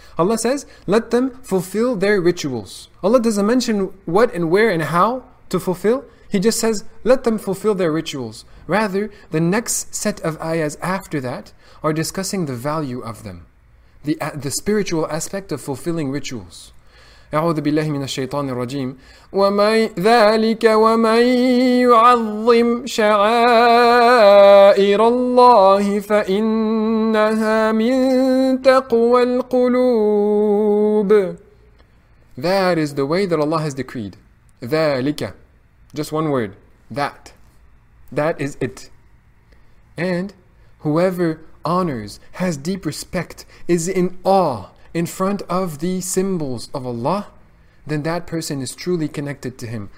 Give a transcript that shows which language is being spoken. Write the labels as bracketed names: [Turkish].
[English] Allah says, let them fulfill their rituals. Allah doesn't mention what and where and how to fulfill. He just says, let them fulfill their rituals. Rather, the next set of ayahs after that are discussing the value of them. The spiritual aspect of fulfilling rituals. [Arabic] أعوذ بالله من الشيطان الرجيم ومن ذلك ومن يعظم شعائر الله فإنها من تقوى القلوب. [English] That is the way that Allah has decreed. ذلك. Just one word. That. That is it. And whoever honors, has deep respect, is in awe in front of the symbols of Allah, then that person is truly connected to Him.